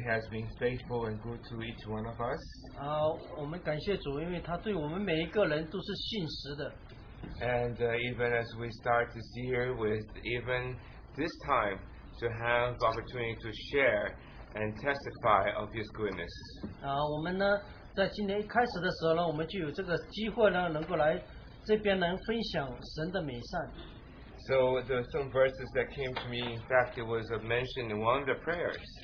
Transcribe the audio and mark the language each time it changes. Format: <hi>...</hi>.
<en>Been faithful and good to each one of us.</en> <zh>我们感谢主, 因为他对我们每一个人都是信实的。</zh> <en>And even as we start this year, with even this time to have the opportunity to share and testify of His goodness.</en> <zh>我们呢，在今年一开始的时候呢, 我们就有这个机会呢，能够来这边能分享神的美善。</zh> <en>So the some verses that came to me, in fact, it was mentioned in one of the prayers.</en>